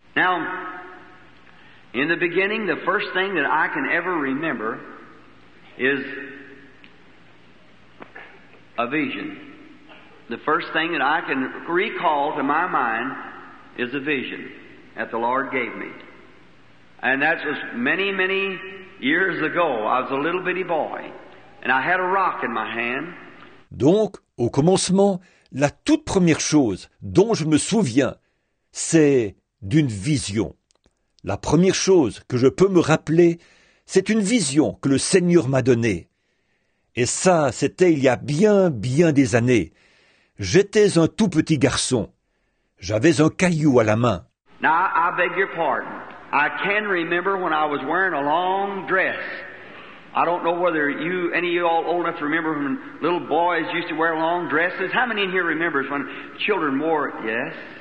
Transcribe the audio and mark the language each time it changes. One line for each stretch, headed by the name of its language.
English: Now, in the beginning, the first thing that I can ever remember is a vision. The first thing that I can recall to my mind is a vision that the Lord gave me. And that was many, many years ago. I was a little bitty boy. And I had a rock in my hand.
French: Donc, au commencement, la toute première chose dont je me souviens, c'est d'une vision. La première chose que je peux me rappeler, c'est une vision que le Seigneur m'a donnée. Et ça, c'était il y a bien, bien des années. J'étais un tout petit garçon. J'avais un caillou à la main.
English: Now, I beg your pardon. I can remember when I was wearing a long dress. I don't know whether you, any of you all old enough to remember when little boys used to wear long dresses. How many in here remembers when children wore, yes?